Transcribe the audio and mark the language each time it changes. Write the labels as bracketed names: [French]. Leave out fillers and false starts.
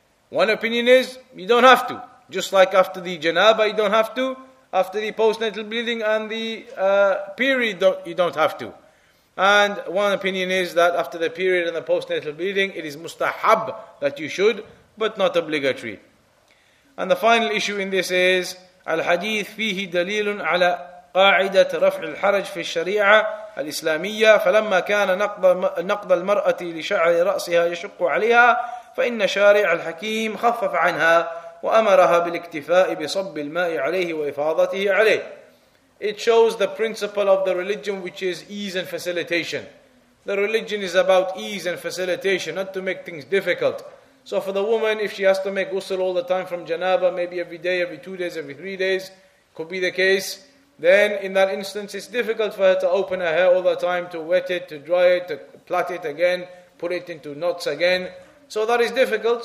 [English] One opinion is you don't have to. Just like after the janaba, you don't have to. After the postnatal bleeding and the period, you don't have to. And one opinion is that after the period and the postnatal bleeding, it is mustahab that you should, but not obligatory. And the final issue in this is, [Arabic] الحديث فيه دليل على قاعدة رفع الحرج في الشريعة الإسلامية فلما كان نقض المرأة لشعر رأسها يشق عليها فإن شارع الحكيم خفف عنها وأمرها بالاكتفاء بصب الماء عليه وإفاضته عليه. [English] It shows the principle of the religion, which is ease and facilitation. The religion is about ease and facilitation, not to make things difficult. So for the woman, if she has to make ghusl all the time from janaba, maybe every day, every 2 days, every 3 days, could be the case, then in that instance, it's difficult for her to open her hair all the time, to wet it, to dry it, to plait it again, put it into knots again. So that is difficult.